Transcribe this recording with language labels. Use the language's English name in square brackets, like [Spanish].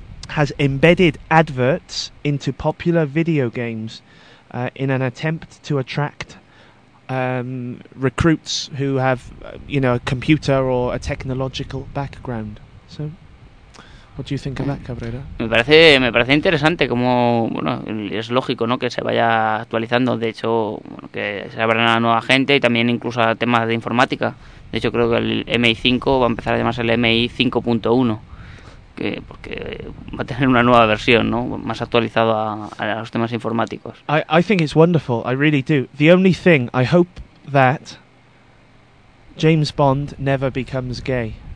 [English] has embedded adverts into popular video games in an attempt to attract recruits who have, you know, a computer or a technological background. So, what do you think of that, Cabrera? [Spanish] Me parece interesante como, bueno, es lógico, ¿no?, que se vaya actualizando. De hecho, bueno, que se abran a nueva gente y también incluso a temas de informática. De hecho, creo que el MI5 va a empezar a llamarse el MI5.1. Porque va a tener una nueva versión, ¿no?, más actualizado a los temas informáticos. [English] I think it's wonderful, I really do. The only thing, I hope that James Bond never becomes gay.